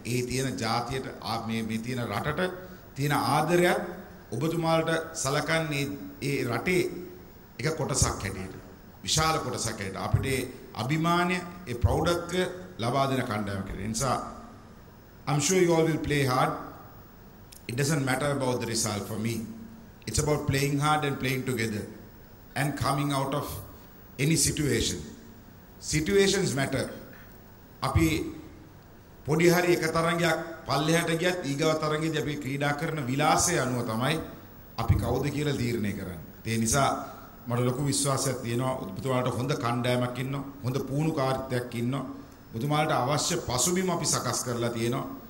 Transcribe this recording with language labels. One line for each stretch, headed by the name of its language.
Sinhala: ඒ තියෙන ජාතියට මේ තියෙන රටට තියෙන ආදරය ඔබතුමාලට සලකන්නේ ඒ රටේ එක කොටසක් හැටියට. විශාල කොටසක් හැටියට අපිට ඒ අභිමානය ඒ ප්‍රෞඩත්වය ලබා දෙන කණ්ඩායමක් කියලා. ඒ නිසා
English: I'm sure you all will play hard. It doesn't matter about the result for me. It's about playing hard and playing together and coming out of any situation. Situations matter.
Sinhala: අපි පොඩි හරි එක තරඟයක් පල්ලෙහාට ගියත් ඊගව තරඟෙදී අපි ක්‍රීඩා කරන විලාසය අනුව තමයි අපි කවුද කියලා තීරණය කරන්නේ. ඒ නිසා මට ලොකු විශ්වාසයක් තියෙනවා ඔබතුමාලට හොඳ කණ්ඩායමක් ඉන්නවා. හොඳ පුහුණුකාරීත්වයක් ඉන්නවා. ඔබතුමාලට අවශ්‍ය පසුබිම අපි සකස් කරලා තියෙනවා.